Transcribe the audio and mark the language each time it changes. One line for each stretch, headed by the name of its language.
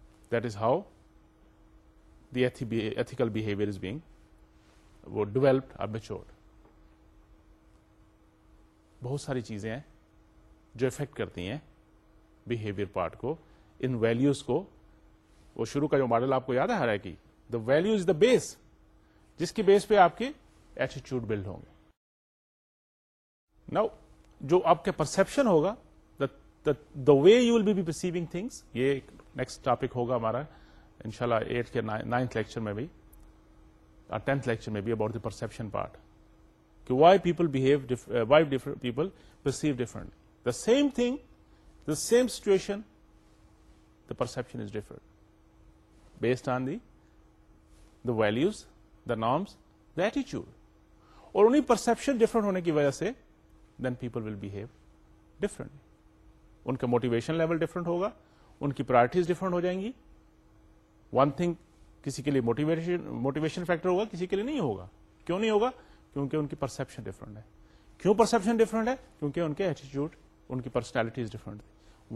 English: That is how the ethical behavior is being developed or matured.
Urdu: بہت ساری چیزیں ہیں جو افیکٹ کرتی ہیں بہیویئر پارٹ کو, ان ویلوز کو. وہ شروع کا جو ماڈل آپ کو یاد ہے ہر ایک,
English: the value is the base,
Urdu: جس کی بیس پہ آپ کے ایٹیچیوڈ بلڈ ہوں گے. نو جو آپ کے پرسپشن ہوگا,
English: the way you will be perceiving things,
Urdu: یہ نیکسٹ ٹاپک ہوگا ہمارا انشاءاللہ 8th کے 9th لیکچر میں بھی اور 10th لیکچر میں بھی,
English: About the perception part, کہ why people behave, Y different people perceive different. The same thing, the same situation, the perception is different based on the values, the norms, the ایٹیچیوڈ.
Urdu: اور انہیں perception different ہونے کی وجہ سے
English: Then people will behave different.
Urdu: ان کا motivation level different ہوگا, ان کی priorities different ہو جائیں گی. ون تھنگ کسی کے لیے موٹیویشن فیکٹر ہوگا, کسی کے لیے نہیں ہوگا. کیوں نہیں ہوگا؟ کیونکہ ان کی پرسپشن ڈفرنٹ ہے. کیوں پرسپشن ڈفرنٹ ہے؟ کیونکہ ان کے ایٹیچیوڈ, ان کی پرسنالٹیز ڈفرنٹ تھی.